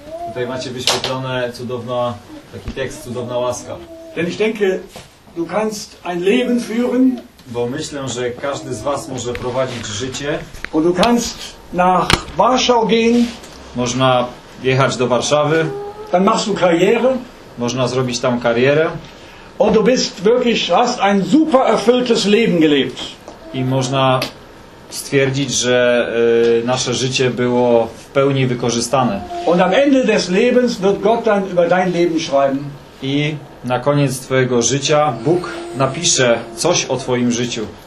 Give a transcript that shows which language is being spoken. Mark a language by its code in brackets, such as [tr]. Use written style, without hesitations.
[pl] Tutaj macie wyświetlone cudowna, taki tekst, cudowna łaska. [de] Denn ich denke, du kannst ein Leben führen. [pl] Bo myślę, że każdy z was może prowadzić życie. [de] Und du kannst nach Warschau gehen. [pl] Można jechać do Warszawy. [de] Dann machst du Karriere. [pl] Można zrobić tam karierę. [de] Und du bist wirklich, hast ein super erfülltes Leben gelebt. [pl] I można stwierdzić, że nasze życie było w pełni wykorzystane. [de] Und am Ende des Lebens wird Gott dann über dein Leben schreiben. [pl] I na koniec twojego życia Bóg napisze coś o twoim życiu.